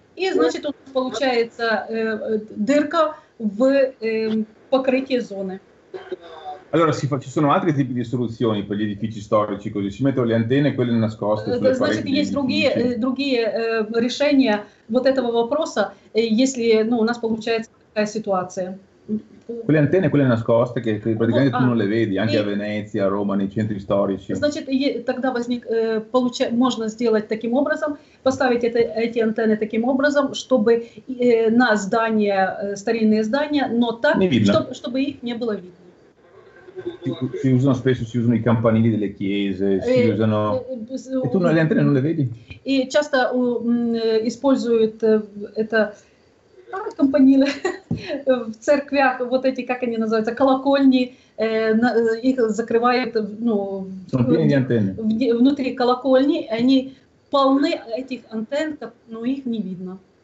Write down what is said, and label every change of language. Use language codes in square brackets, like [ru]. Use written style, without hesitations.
[ru] И значит, у нас получается дырка в покрытие зоны. [it] Allora, ci sono altri tipi di soluzioni per gli edifici storici, così si mettono le antenne, quelle nascoste sulle pareti. [ru] Значит, есть другие решения вот этого вопроса, если, ну, у нас получается такая ситуация. [it] Quelle antenne, quelle nascoste, che praticamente tu non le vedi, anche a Venezia, a Roma, nei centri storici. [ru] Значит, тогда возник, можно сделать таким образом, поставить эти антенны таким образом, чтобы на здания, старинные здания, но так, чтобы их не было видно. [it] Si usano spesso, si usano i campanili delle chiese, si usano. E tu le antenne non le vedi? [ru] E часто используют это campanile в церквях, вот эти, как они называются, колокольни, их закрывают, ну, [it] sono pieni di antenne. [ru] Внутри колокольни, они полны этих антенн, но их не видно.